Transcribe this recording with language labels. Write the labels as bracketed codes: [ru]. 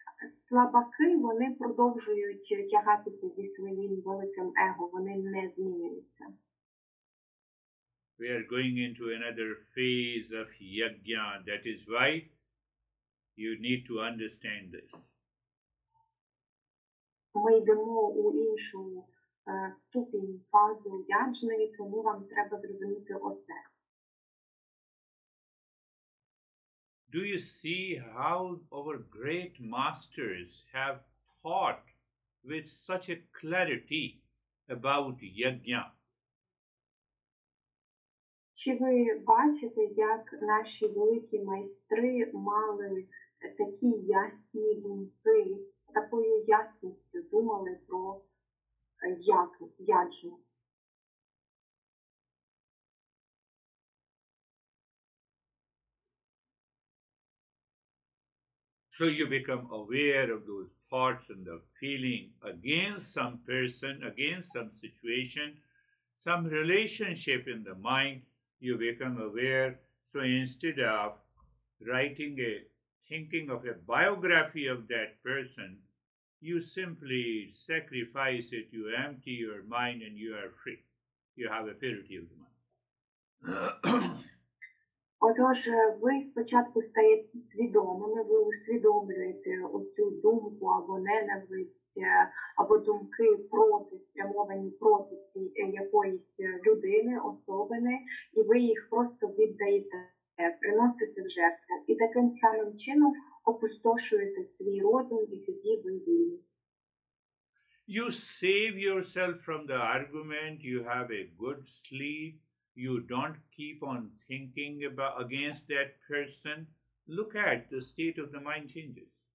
[uk] Слабаки, вони продовжують тягатися зі своїм великим его. Вони не змінюються. [en] We are going into another phase of yajna. That is why you need to understand this. [uk] Ми йдемо у іншу ступінь фазу яджної, тому вам треба зрозуміти оце. [en] Do you see how our great masters have taught with such a clarity about yajna? [uk] Чи ви бачите, як наші великі майстри мали такі ясні думки, з такою ясністю думали про яджу? [en] So you become aware of those thoughts and the feeling against some person, against some situation, some relationship in the mind, you become aware. So instead of writing a, thinking of a biography of that person, you simply sacrifice it, you empty your mind and you are free. You have a purity of the mind. [uk] Отож, ви спочатку стаєте свідомими, ви усвідомлюєте оцю думку або ненависть, або думки проти, спрямовані проти цієї якоїсь людини, особини, і ви їх просто віддаєте, приносите в жертву. І таким самим чином опустошуєте свій розум, і тоді ви вільні. [en] You save yourself from the argument, you have a good sleep. You don't keep on thinking about against that person. Look at the state of the mind changes.